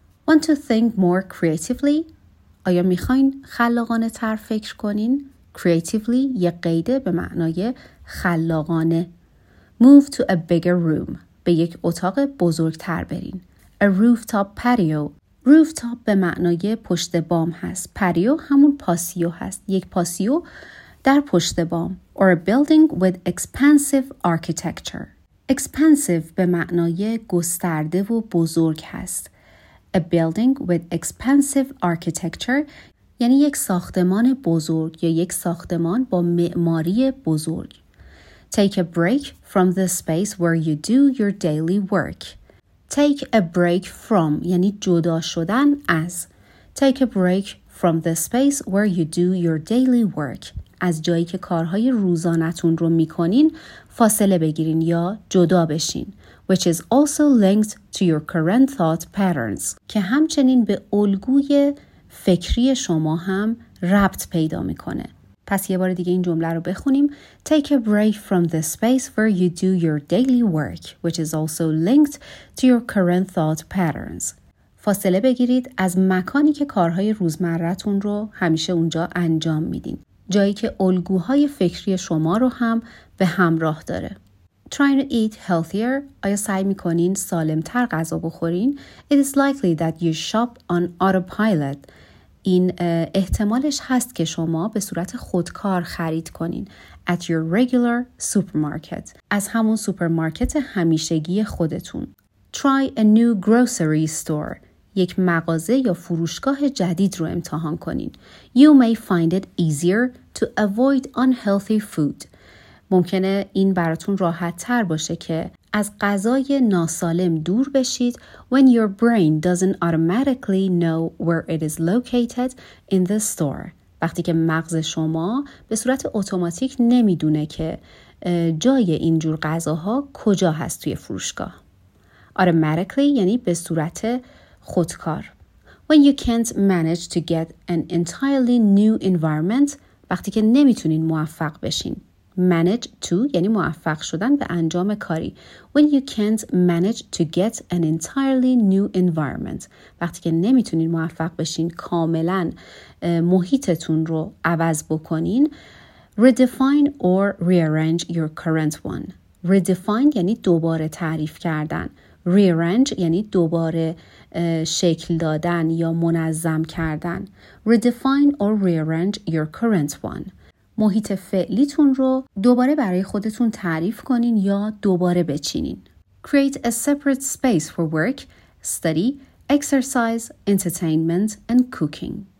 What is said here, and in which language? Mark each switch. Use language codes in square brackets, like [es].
[en] Want to think more creatively؟ [fa] آیا میخواین خلاقانه تر فکر کنین؟ Creatively یه قیده به معنای خلاقانه. [en] Move to a bigger room. [fa] به یک اتاق بزرگتر برین. [en] A rooftop patio. [fa] Rooftop به معنای پشت بام هست. Patio همون پاسیو هست. یک پاسیو در پشت بام. [en] Or a building with expansive architecture. [fa] Expansive به معنای گسترده و بزرگ هست. [en] A building with expansive architecture [fa] یعنی یک ساختمان بزرگ یا یک ساختمان با معماری بزرگ. [en] Take a break from the space where you do your daily work. Take a break from [fa] یعنی جدا شدن از. [en] Take a break from the space where you do your daily work. [fa] از جایی که کارهای روزانتون رو میکنین فاصله بگیرین یا جدا بشین. [en] Which is also linked to your current thought patterns. [fa] که همچنین به الگوی فکری شما هم ربط پیدا میکنه. پس یه بار دیگه این جمله رو بخونیم. [en] Take a break from the space where you do your daily work, which is also linked to your current thought patterns. [fa] فاصله بگیرید از مکانی که کارهای روزمرتون رو همیشه اونجا انجام میدین. جایی که الگوهای فکری شما رو هم به همراه داره. [en] Try to eat healthier. [fa] آیا سعی میکنین سالمتر غذا بخورین؟ [en] It is likely that you shop on autopilot. [fa] این احتمالش هست که شما به صورت خودکار خرید کنین. [en] At your regular supermarket. [fa] از همون سوپرمارکت همیشگی خودتون. [en] Try a new grocery store. [fa] یک مغازه یا فروشگاه جدید رو امتحان کنین. [en] You may find it easier to avoid unhealthy food. [fa] ممکنه این براتون راحت تر باشه که از غذای ناسالم دور بشید [en] when your brain doesn't automatically know where it is located in the store. [fa] وقتی که مغز شما به صورت اتوماتیک نمیدونه که جای اینجور غذاها کجا هست توی فروشگاه. Automatically یعنی به صورت خودکار. [en] When you can't manage to get an entirely new environment، [fa] وقتی که نمیتونین موفق بشین. [en] Manage to [fa] یعنی موفق شدن به انجام کاری. [en] When you can't manage to get an entirely new environment، [fa] وقتی که نمیتونین موفق بشین کاملا محیطتون رو عوض بکنین. [en] Redefine or rearrange your current one. [fa] Redefine یعنی دوباره تعریف کردن. Rearrange یعنی دوباره شکل دادن یا منظم کردن. [en] Redefine or rearrange your current one. [fa] محیط فعلیتون رو دوباره برای خودتون تعریف کنین یا دوباره بچینین. [en] Create a separate space for work, study, exercise, entertainment and cooking.